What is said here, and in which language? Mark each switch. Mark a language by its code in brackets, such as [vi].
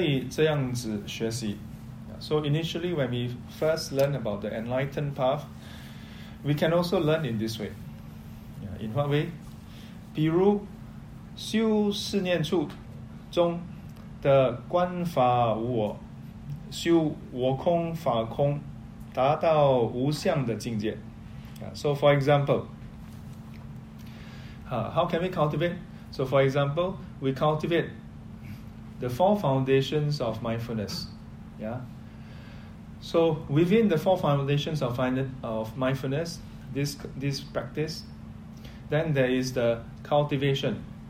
[en] So initially, when we first learn about the enlightened path, we can also learn in this way. In what way? [zh] 比如修四念处中的观法无我，修我空法空，达到无相的境界。 [en] So for example, how can we cultivate? So for example, we cultivate the four foundations of mindfulness. Yeah. So within the four foundations of mindfulness, this practice, then there is the cultivation.